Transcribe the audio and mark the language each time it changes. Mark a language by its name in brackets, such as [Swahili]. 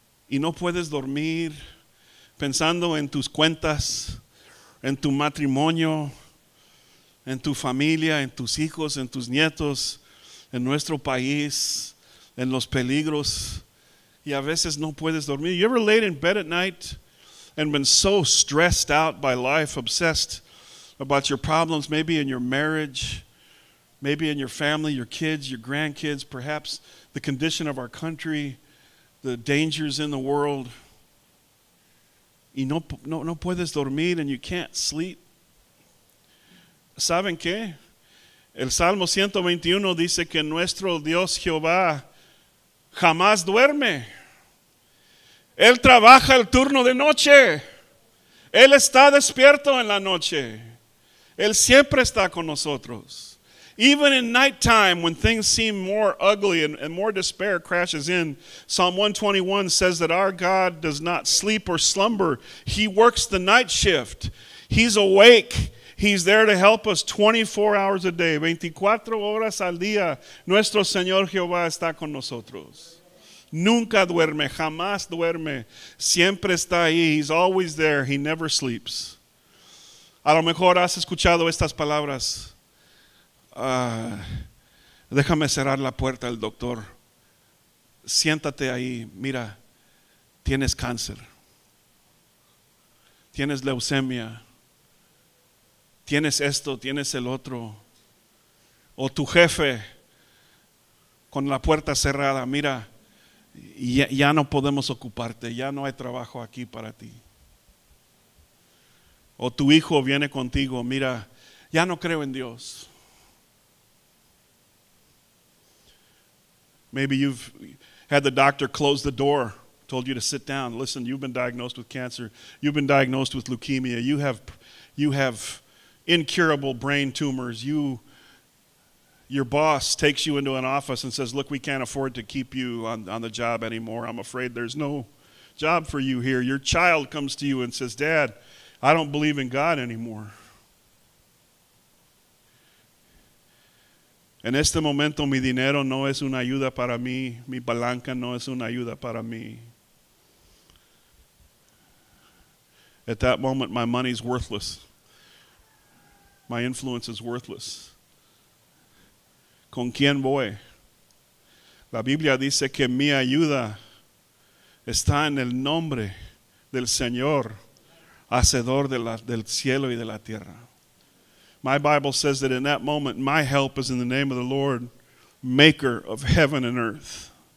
[Spanish] y no puedes dormir pensando en tus cuentas, en tu matrimonio, en tu familia, en tus hijos, en tus nietos, en nuestro país, en los peligros, y a veces no puedes dormir. [English] You ever laid in bed at night and been so stressed out by life, obsessed about your problems, maybe in your marriage, maybe in your family, your kids, your grandkids, perhaps the condition of our country, the dangers in the world, [Spanish] y no puedes dormir, [English] and you can't sleep? [Spanish] ¿Saben qué? El Salmo 121 dice que nuestro Dios Jehová jamás duerme. Él trabaja el turno de noche. Él está despierto en la noche. Él siempre está con nosotros. [English] Even in nighttime, when things seem more ugly and more despair crashes in, Psalm 121 says that our God does not sleep or slumber. He works the night shift. He's awake. He's there to help us 24 hours a day. [Spanish] 24 horas al día, nuestro Señor Jehová está con nosotros. Nunca duerme, jamás duerme. Siempre está ahí. [English] He's always there. He never sleeps. [Spanish] A lo mejor has escuchado estas palabras. Déjame cerrar la puerta al doctor. Siéntate ahí. Mira, tienes cáncer. Tienes leucemia. Tienes esto, tienes el otro. O tu jefe, con la puerta cerrada, mira, ya no podemos ocuparte, ya no hay trabajo aquí para ti. O tu hijo viene contigo, mira, ya no creo en Dios. [English] Maybe you've had the doctor close the door, told you to sit down. Listen, you've been diagnosed with cancer. You've been diagnosed with leukemia. You have incurable brain tumors. Your boss takes you into an office and says, look, we can't afford to keep you on the job anymore. I'm afraid there's no job for you here. Your child comes to you and says, Dad, I don't believe in God anymore. [Spanish] En este momento, mi dinero no es una ayuda para mí. Mi palanca no es una ayuda para mí. [English] At that moment, my money's worthless. My influence is worthless. [Spanish] ¿Con quién voy? La Biblia dice que mi ayuda está en el nombre del Señor, Hacedor del cielo y de la tierra. [English] My Bible says that in that moment, my help is in the name of the Lord, Maker of heaven and earth.